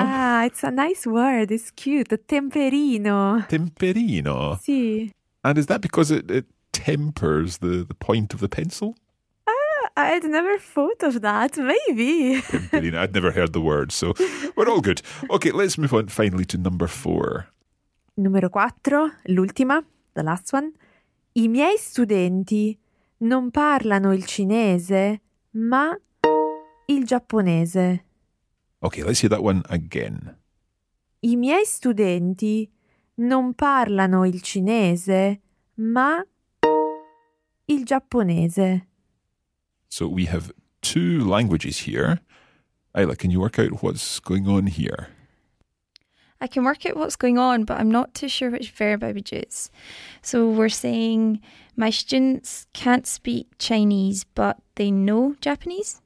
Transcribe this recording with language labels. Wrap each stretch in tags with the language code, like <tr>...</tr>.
<en>Ah, it's a nice word. It's cute. Temperino.</en> <it>Temperino. Si.</it> <en>And is that because it tempers the point of the pencil? I'd never thought of that, maybe. Temperino, I'd never heard the word, so we're all good. Okay, let's move on finally to number four.</en> <it>Numero quattro, l'ultima,</it> <en>the last one.</en> <it>I miei studenti non parlano il cinese, ma il giapponese.</it> <en>Okay, let's hear that one again.</en> <it>I miei studenti non parlano il cinese, ma il giapponese.</it> <en>So we have two languages here. Ayla, can you work out what's going on here? I can work out what's going on, but I'm not too sure which verb I would use. So we're saying my students can't speak Chinese, but they know Japanese.</en>